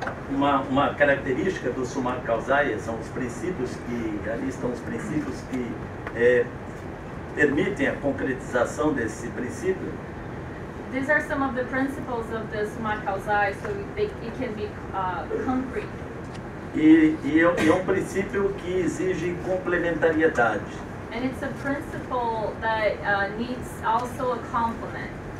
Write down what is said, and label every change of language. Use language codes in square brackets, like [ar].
[pt] Uma característica do Suma Causai são os princípios que ali estão os princípios que permitem a concretização desse princípio. [en] These are some of the principles of the Suma Causai, so it can be concrete. [pt] E é um princípio que exige complementariedade. [en] And it's a principle that needs also a complement.